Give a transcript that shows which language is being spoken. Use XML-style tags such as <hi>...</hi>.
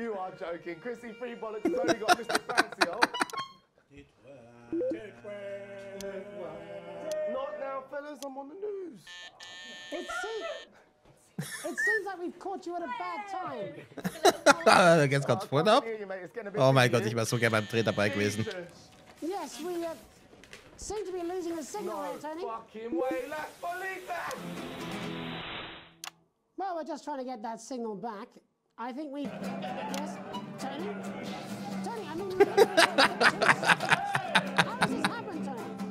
<en>You are joking. Chrissy Freebollocks has only got Mr. Fancy, oh. Not now, fellas, I'm on the news. It seems like we've caught you at a bad time.</en> <de>Ganz kurz,</de> <en>what up?</en> <de>Oh my god, ich war so gern beim Dreh dabei gewesen.</de> <en>Yes, we seem to be losing the signal here, Tony. No fucking way, let's believe that! Well, we're just trying to get that signal back. I think we... Yes, Tony? Tony, I mean... How has this happened, Tony?</en>